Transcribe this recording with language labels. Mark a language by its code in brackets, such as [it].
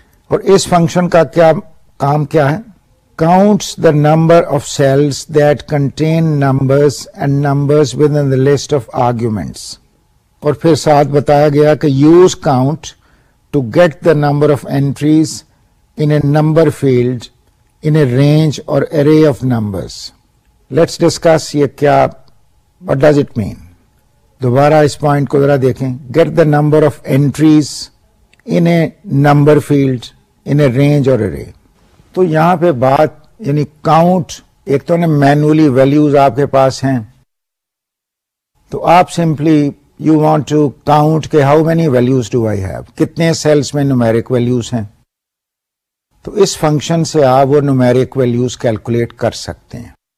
[ur] اور اس فنکشن کا کیا کام کیا ہے, [en] Counts the number of cells that contain numbers and numbers within the list of arguments. [ur] اور پھر ساتھ بتایا گیا کہ [en] Use count to get the number of entries in a number field in a range or array of numbers. Let's discuss [ur] یہ کیا, [en] what does it mean. [ur] دوبارہ اس point کو ذرا دیکھیں. [en] Get the number of entries in a number field, in a range or array. [ur] تو یہاں پہ بات, یعنی count, ایک تو نے مینولی ویلیوز آپ کے پاس ہیں, تو آپ simply [en] you want to count کے how many values do I have, [ur] کتنے سیلس میں نومیرک ویلیوز ہیں. تو اس فنکشن سے آپ وہ نومیرک ویلیوز کیلکولیٹ کر سکتے ہیں.